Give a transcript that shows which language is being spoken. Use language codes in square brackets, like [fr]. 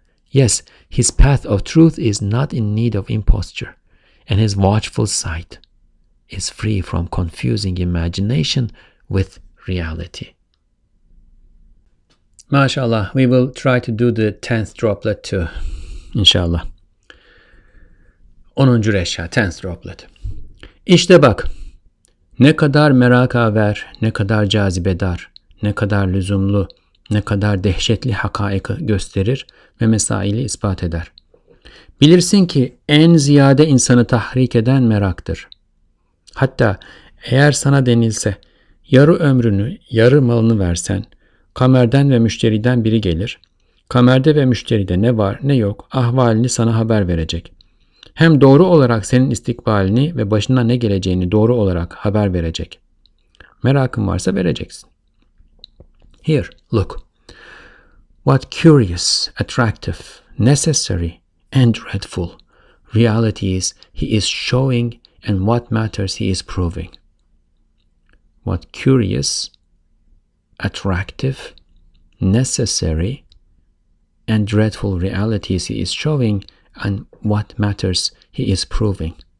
[en] Yes, his path of truth is not in need of imposture, and his watchful sight is free from confusing imagination with reality. MashaAllah, we will try to do the 10th droplet too, inshallah. [tr] 10. reşa, [en] 10th droplet. [tr] İşte bak, ne kadar merakaver, ne kadar cazibedar, ne kadar lüzumlu, ne kadar dehşetli hakaiki gösterir ve mesaili ispat eder. Bilirsin ki en ziyade insanı tahrik eden meraktır. Hatta eğer sana denilse, yarı ömrünü, yarı malını versen, kamerden ve müşteriden biri gelir. Kamerde ve müşteride ne var ne yok ahvalini sana haber verecek. Hem doğru olarak senin istikbalini ve başına ne geleceğini doğru olarak haber verecek. Merakın varsa vereceksin. [en] Here, look. What curious, attractive, necessary and dreadful reality is he is showing and what matters he is proving. What curious, attractive, necessary, and dreadful realities he is showing, and what matters he is proving.